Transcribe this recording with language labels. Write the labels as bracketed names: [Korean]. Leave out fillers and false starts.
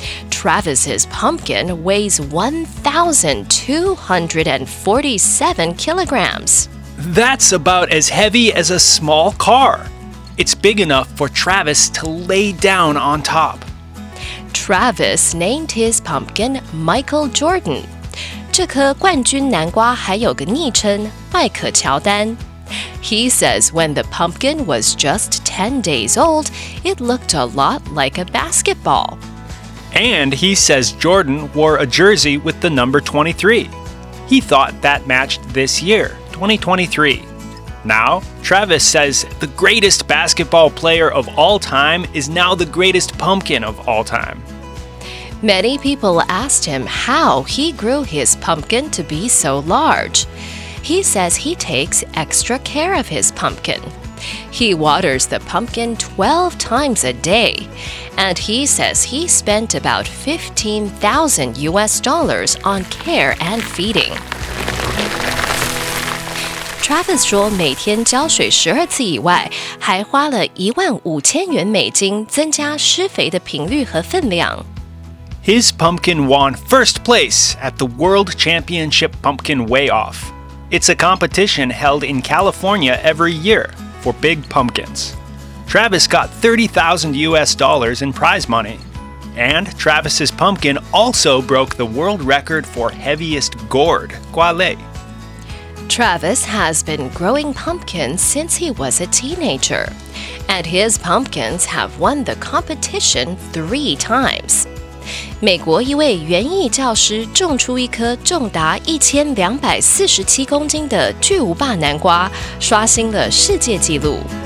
[English] Travis's pumpkin weighs 1,247 kilograms. That's about as heavy as a small car. It's big enough for Travis to lay down on top. Travis named his pumpkin Michael Jordan. [Chinese] 这颗冠军南瓜还有个昵称麦克乔丹。 [English] He says when the pumpkin was just 10 days old, it looked a lot like a basketball. And he says Jordan wore a jersey with the number 23. He thought that matched this year, 2023. Now, Travis says the greatest basketball player of all time is now the greatest pumpkin of all time. Many people asked him how he grew his pumpkin to be so large. He says he takes extra care of his pumpkin. He waters the pumpkin 12 times a day. And he says he spent about $15,000 on care and feeding. [Chinese] Travis 说每天浇水12次以外，还花了15,000元美金增加施肥的频率和分量。 [English] His pumpkin won first place at the World Championship Pumpkin Weigh-Off. It's a competition held in California every year for big pumpkins. Travis got $30,000 in prize money. And Travis's pumpkin also broke the world record for heaviest gourd, guale. Travis has been growing pumpkins since he was a teenager, and his pumpkins have won the competition 3 times. [Chinese] 美国一位园艺教师种出一颗重达1247公斤的巨无霸南瓜，刷新了世界纪录。